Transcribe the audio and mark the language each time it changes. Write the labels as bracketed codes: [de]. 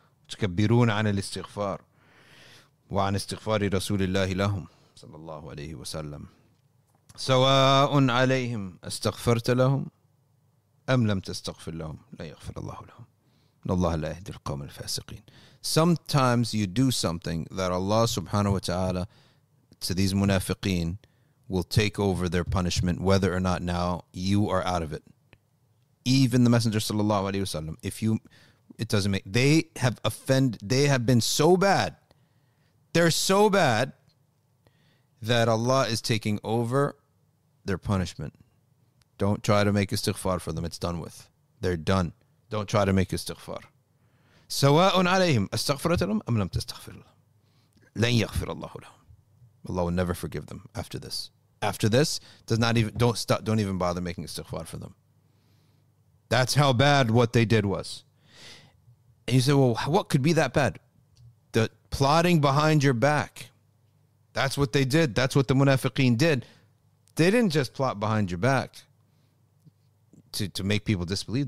[ar] تكبرون عن الاستغفار وعن استغفار رسول الله لهم صلى الله عليه وسلم سواء عليهم استغفرت لهم أم لم تستغفر لهم لا يغفر الله لهم إن الله لا يهدي القوم الفاسقين. [en] Sometimes you do something that Allah subhanahu wa ta'ala to these munafiqeen will take over their punishment, whether or not now you are out of it. Even the Messenger sallallahu alaihi wasallam, they have been so bad. They're so bad that Allah is taking over their punishment. Don't try to make istighfar for them. It's done with. They're done. Don't try to make istighfar. [ar] سواء عليهم استغفرت لهم أم لم تستغفر لهم لن يغفر الله لهم. [en] Allah will never forgive them after this. After this, don't even bother making istighfar for them. That's how bad what they did was. And you say, well, what could be that bad? The plotting behind your back. That's what they did. That's what the munafiqeen did. They didn't just plot behind your back to make people disbelieve.